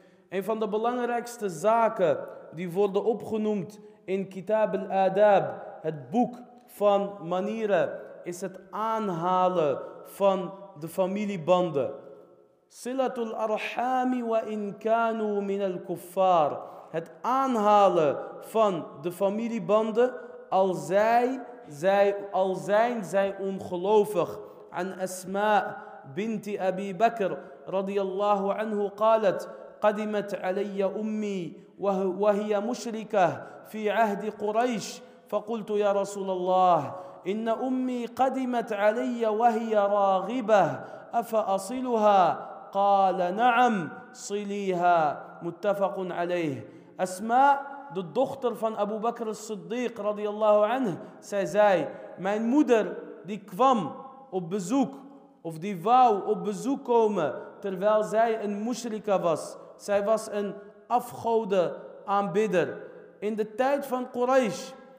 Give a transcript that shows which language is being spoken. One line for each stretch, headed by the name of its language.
Dutch: Een van de belangrijkste zaken die worden opgenoemd in Kitab al-Adab, het boek van manieren, is het aanhalen van de familiebanden.
Arabic: Silatul arhami wa in kanu min al-kuffar.
Dutch: Het aanhalen van de familiebanden, al zijn zij ongelovig.
Arabic: An Asma binti Abi Bakr radiyallahu anhu qalat, قدمت علي أمي وهي مشركة في عهد قريش فقلت يا رسول الله إن أمي قدمت علي وهي راغبة أفأصلها قال نعم صليها. متفق عليه.
Dutch: أسماء de dochter van Abu Bakr al-Siddiq radiyallahu anhu, zei zij, mijn moeder die kwam op bezoek, of die wou op bezoek komen terwijl zij een mushrika was. Zij was een afgode aanbidder in de tijd van Quraysh.